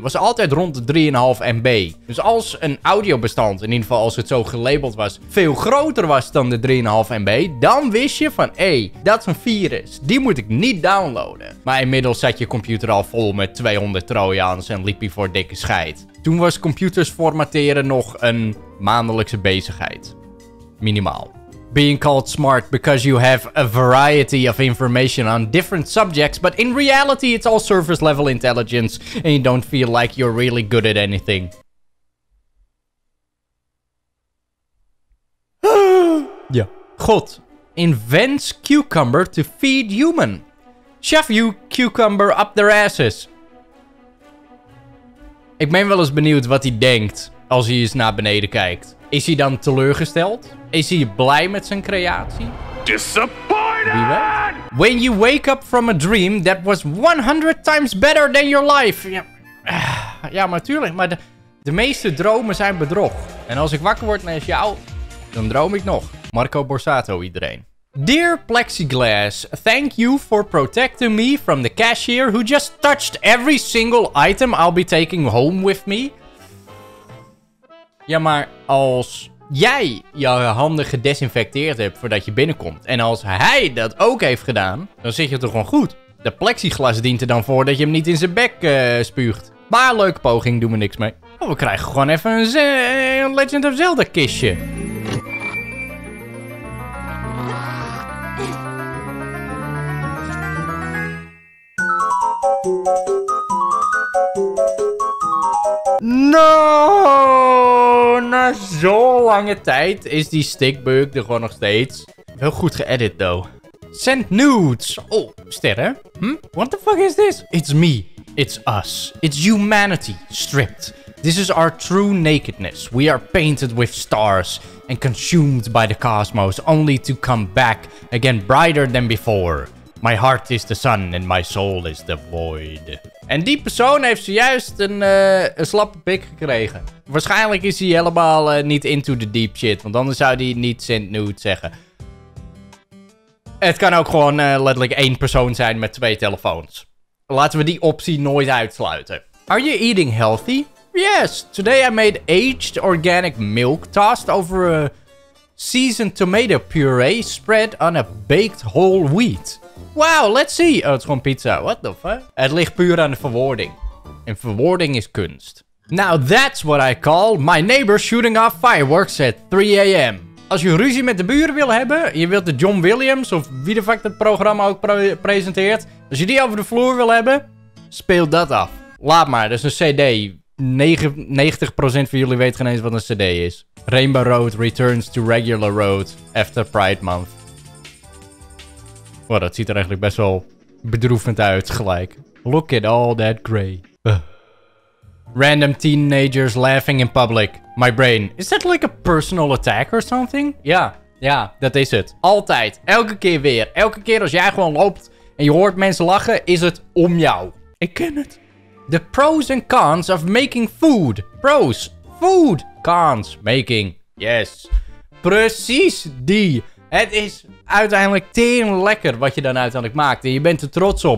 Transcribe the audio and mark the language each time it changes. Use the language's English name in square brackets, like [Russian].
[Dutch] Was altijd rond de 3,5 MB. Dus als een audiobestand, in ieder geval als het zo gelabeld was, veel groter was dan de 3,5 MB, dan wist je van, hé, dat is een virus. Die moet ik niet downloaden. Maar inmiddels zat je computer al vol met 200 trojans en liep je voor dikke scheid. Toen was computers formateren nog een maandelijkse bezigheid. Minimaal. [English] Being called smart because you have a variety of information on different subjects, but in reality it's all surface level intelligence and you don't feel like you're really good at anything. Ja. God. Invents cucumber to feed human. Shove you cucumber up their asses. [Dutch] Ik ben wel eens benieuwd wat hij denkt als hij eens naar beneden kijkt. Is hij dan teleurgesteld? Is hij blij met zijn creatie? [English] Disappointed! [Dutch] Wie weet? [English] When you wake up from a dream that was 100 times better than your life. [Dutch] Ja, ja maar tuurlijk. Maar de meeste dromen zijn bedrog. En als ik wakker word naast jou, dan droom ik nog. Marco Borsato, iedereen. [English] Dear Plexiglass, thank you for protecting me from the cashier who just touched every single item I'll be taking home with me. [Dutch] Ja, maar als jij je handen gedesinfecteerd hebt voordat je binnenkomt en als hij dat ook heeft gedaan, dan zit je toch gewoon goed. De plexiglas dient er dan voor dat je hem niet in zijn bek spuugt. Maar leuke poging, doen we niks mee. Oh, we krijgen gewoon even een Legend of Zelda kistje. No, na zo'n lange tijd is die stickbug er gewoon nog steeds. Wel goed geëdit, [English] though. Send nudes. [Dutch] Oh, sterren. [English] What the fuck is this? It's me. It's us. It's humanity stripped. This is our true nakedness. We are painted with stars and consumed by the cosmos, only to come back again brighter than before. My heart is the sun and my soul is the void. [Dutch] En die persoon heeft zojuist een slappe pik gekregen. Waarschijnlijk is hij helemaal niet [English] into the deep shit. [Dutch] Want anders zou hij niet Sint Nude zeggen. Het kan ook gewoon letterlijk één persoon zijn met twee telefoons. Laten we die optie nooit uitsluiten. [English] Are you eating healthy? Yes, today I made aged organic milk tossed over a seasoned tomato puree spread on a baked whole wheat. Wow, let's see. [Dutch] Oh, het is gewoon pizza. [English] What the fuck? [Dutch] Het ligt puur aan de verwoording. En verwoording is kunst. [English] Now that's what I call my neighbor shooting off fireworks at 3 a.m. [Dutch] Als je ruzie met de buren wil hebben, je wilt de John Williams of wie de fuck dat programma ook presenteert. Als je die over de vloer wil hebben, speel dat af. Laat maar, dat is een cd. 90% van jullie weet geen eens wat een cd is. [English] Rainbow Road returns to regular road after Pride Month. [Dutch] Wow, dat ziet er eigenlijk best wel bedroevend uit gelijk. [English] Look at all that gray. Random teenagers laughing in public. My brain. Is that like a personal attack or something? [Dutch] Ja, ja, dat is het. Altijd. Elke keer weer. Elke keer als jij gewoon loopt en je hoort mensen lachen, is het om jou. Ik ken het. [English] The pros and cons of making food. Pros. Food. Cons. Making. Yes. [Dutch] Precies die. Het is uiteindelijk teer lekker wat je dan uiteindelijk maakt. En je bent er trots op.